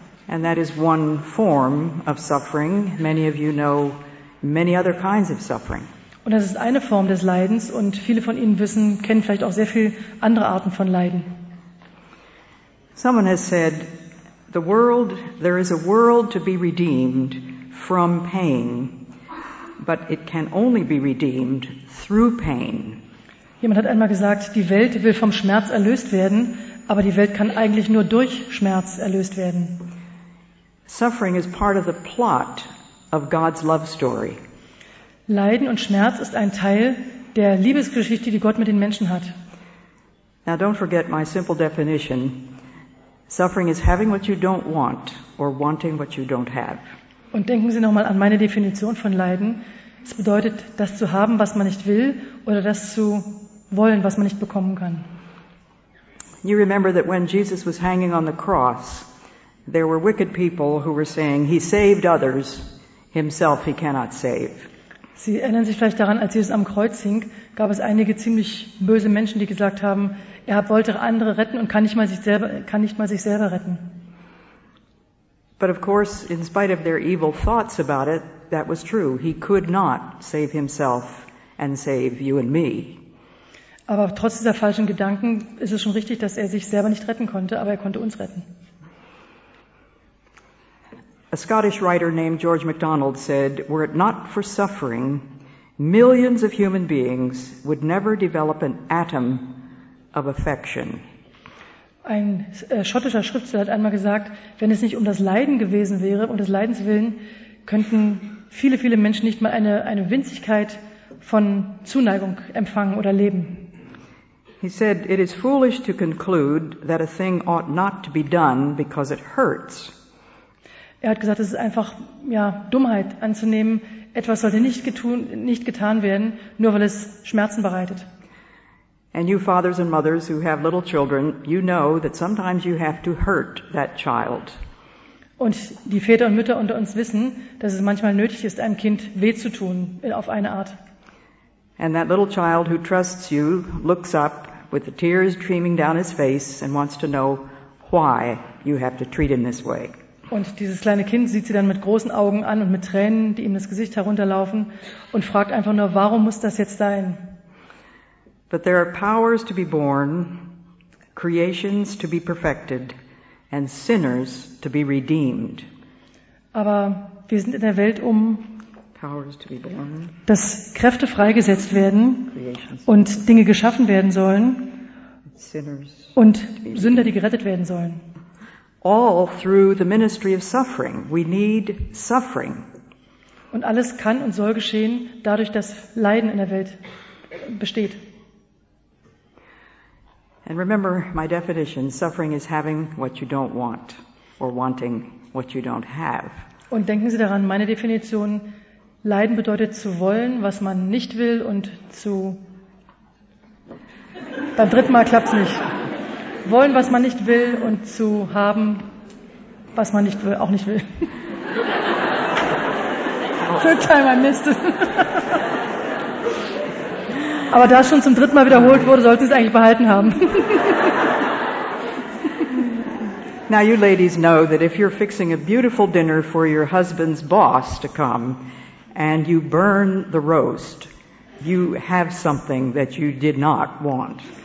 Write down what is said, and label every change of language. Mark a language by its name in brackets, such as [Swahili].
[English] And that is one form of suffering. Many of you know many other kinds of suffering. [German] Und das ist eine Form des Leidens, und viele von Ihnen wissen, kennen vielleicht auch sehr viele andere Arten von Leiden. [English] Someone has said, the world, there is a world to be redeemed from pain, but it can only be redeemed through pain. [German] Jemand hat einmal gesagt, die Welt will vom Schmerz erlöst werden, aber die Welt kann eigentlich nur durch Schmerz erlöst werden. [English] Suffering is part of the plot of God's love story. [German] Leiden und Schmerz ist ein Teil der Liebesgeschichte, die Gott mit den Menschen hat. [English] Now don't forget my simple definition. Suffering is having what you don't want or wanting what you don't have. [German] Und denken Sie nochmal an meine Definition von Leiden. Es bedeutet, das zu haben, was man nicht will, oder das zu wollen, was man nicht bekommen kann. [English] You remember that when Jesus was hanging on the cross, there were wicked people who were saying, he saved others, himself he cannot save. [German] Sie erinnern sich vielleicht daran, als Jesus am Kreuz hing, gab es einige ziemlich böse Menschen, die gesagt haben, er wollte andere retten und kann nicht mal sich selber retten. [English] But of course, in spite of their evil thoughts about it, that was true. He could not save himself and save you and me. [German] Aber trotz dieser falschen Gedanken ist es schon richtig, dass er sich selber nicht retten konnte, aber er konnte uns retten. [English] A Scottish writer named George MacDonald said, were it not for suffering, millions of human beings would never develop an atom of affection. [German] Ein schottischer Schriftsteller hat einmal gesagt, wenn es nicht um das Leiden gewesen wäre, um des Leidens willen, könnten viele, viele Menschen nicht mal eine Winzigkeit von Zuneigung empfangen oder leben. [English] He said, it is foolish to conclude that a thing ought not to be done because it hurts. [German] Er hat gesagt, es ist einfach Dummheit anzunehmen, etwas sollte nicht getan werden, nur weil es Schmerzen bereitet. [English] And you fathers and mothers who have little children, you know that sometimes you have to hurt that child. [German] Und die Väter und Mütter unter uns wissen, dass es manchmal nötig ist, einem Kind weh zu tun, auf eine Art. [English] And that little child who trusts you looks up with the tears streaming down his face and wants to know why you have to treat him this way. [German] Und dieses kleine Kind sieht sie dann mit großen Augen an und mit Tränen, die ihm das Gesicht herunterlaufen, und fragt einfach nur, warum muss das jetzt sein? [English] But there are powers to be born, creations to be perfected, and sinners to be redeemed. [German] Aber wir sind in der Welt, um [English] powers to be born, [German] dass Kräfte freigesetzt werden und Dinge geschaffen werden sollen und Sünder, die gerettet werden sollen. [English] All through the ministry of suffering, we need suffering. [German] Und alles kann und soll geschehen dadurch, dass Leiden in der Welt besteht. [English] And remember my definition, suffering is having what you don't want or wanting what you don't have. [German] Und denken Sie daran, meine Definition, leiden bedeutet zu wollen, was man nicht will und zu beim dritten Mal klappt's nicht. Wollen, was man nicht will und zu haben, was man nicht will, auch nicht will. [English] Third time I missed it. [German] Aber da es schon zum dritten Mal wiederholt wurde, sollten Sie es eigentlich behalten haben. [English] Now you ladies know that if you're fixing a beautiful dinner for your husband's boss to come and you burn the roast, you have something that you did not want.